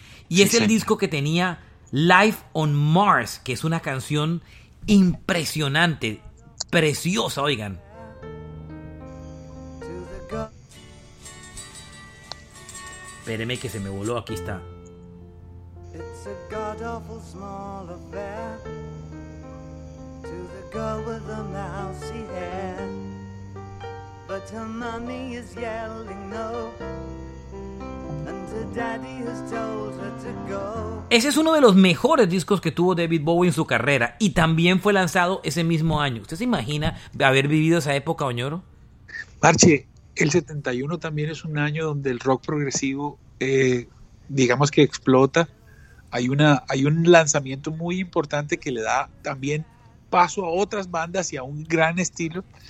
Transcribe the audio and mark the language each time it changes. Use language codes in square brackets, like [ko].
[es] Y es el disco que tenía Life on Mars, que es una canción impresionante, preciosa, oigan. Espéreme que se me voló, aquí está. [en] It's a god-awful small affair to the girl with the mousy hair. But her mommy is yelling no, and her daddy has told her to go. [es] Ese es uno de los mejores discos que tuvo David Bowie en su carrera y también fue lanzado ese mismo año. ¿Usted se imagina haber vivido esa época, Oñoro? Marche, el 71 también es un año donde el rock progresivo, digamos que explota. Hay un lanzamiento muy importante que le da también paso a otras bandas y a un gran estilo.